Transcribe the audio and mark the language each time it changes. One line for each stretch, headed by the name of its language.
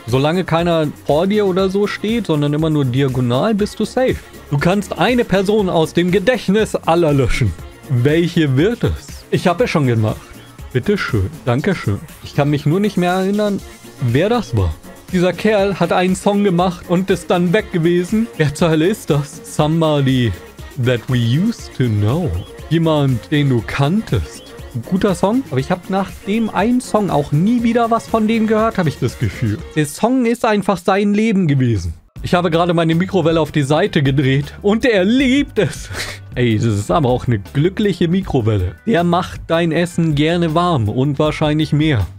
German: Solange keiner vor dir oder so steht, sondern immer nur diagonal, bist du safe. Du kannst eine Person aus dem Gedächtnis aller löschen. Welche wird es? Ich habe es schon gemacht. Bitteschön. Dankeschön. Ich kann mich nur nicht mehr erinnern, wer das war. Dieser Kerl hat einen Song gemacht und ist dann weg gewesen. Wer zur Hölle ist das?
English: Somebody that we used to know.
German: Jemand, den du kanntest. Ein guter Song. Aber ich habe nach dem einen Song auch nie wieder was von dem gehört, habe ich das Gefühl. Der Song ist einfach sein Leben gewesen. Ich habe gerade meine Mikrowelle auf die Seite gedreht und er liebt es. Ey, das ist aber auch eine glückliche Mikrowelle. Der macht dein Essen gerne warm und wahrscheinlich mehr.